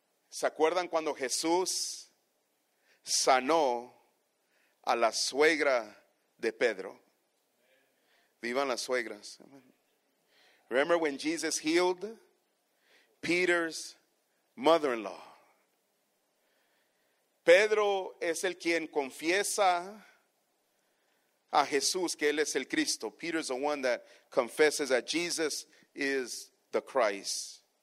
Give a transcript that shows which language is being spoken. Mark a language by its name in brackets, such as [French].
[Spanish] ¿Se acuerdan cuando Jesús sanó a la suegra de Pedro? Vivan las suegras. [English] Remember when Jesus healed Peter's mother-in-law. [Spanish] Pedro es el quien confiesa a Jesús que él es el Cristo. [English] Peter is the one that confesses that Jesus is the Christ.